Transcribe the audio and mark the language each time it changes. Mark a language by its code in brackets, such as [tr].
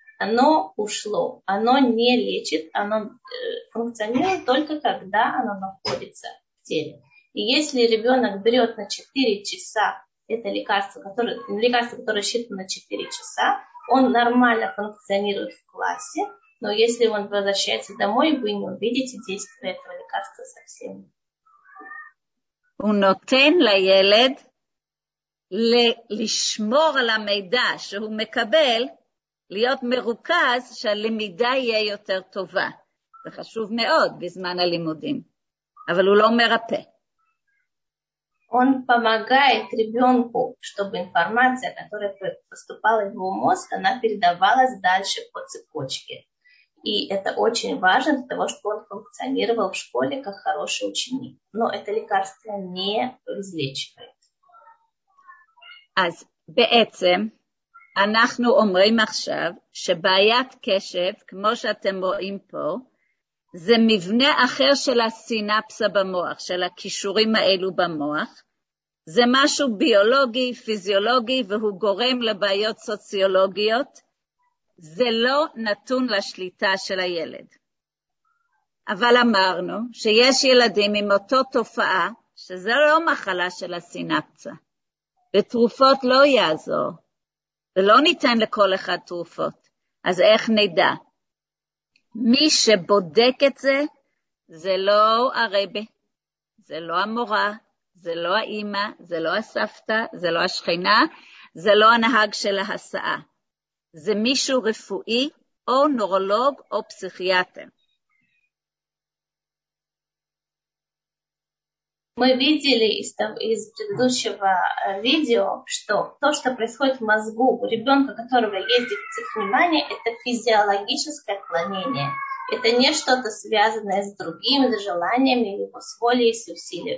[ru] Оно ушло, оно не лечит, оно функционирует только когда оно находится в теле. И если ребенок берет на 4 часа это лекарство, которое рассчитано на 4 часа, он нормально функционирует в классе, но если он возвращается домой, вы не увидите действие этого лекарства совсем. [he] הוא נותן לילד לשמור על המידע שהוא מקבל, להיות מרוכז שהלמידה יהיה יותר טובה. זה חשוב מאוד בזמן הלימודים, אבל הוא לא מרפא. [ru] Он помогает ребенку, чтобы информация, которая поступала в его мозг, она передавалась дальше по цепочке. И это очень важно для того, чтобы он функционировал в школе как хороший ученик. Но это лекарство не излечивает. [he] אז בעצם אנחנו אומרים עכשיו שבעיית קשב, כמו שאתם רואים פה, זה מבנה אחר של הסינפסה במוח, של הכישורים האלו במוח. זה משהו ביולוגי, פיזיולוגי, והוא גורם לבעיות סוציולוגיות. זה לא נתון לשליטה של הילד. אבל אמרנו שיש ילדים עם אותו תופעה, שזה לא מחלה של הסינפסה. ותרופות לא יעזור. ולא ניתן לכל אחד תרופות. אז איך נדע? מי שבודק את זה, זה לא הרבי, זה לא המורה, זה לא האמא, זה לא הסבתא, זה לא השכנה, זה לא הנהג של ההסעה. זה מישהו רפואי או נורולוג או פסיכיאטר. [ru] Мы видели из предыдущего видео, что то, что происходит в мозгу у ребенка, которого есть дефицит внимания, это физиологическое отклонение. Это не что-то связанное с другими желаниями, либо с волей и с усилием.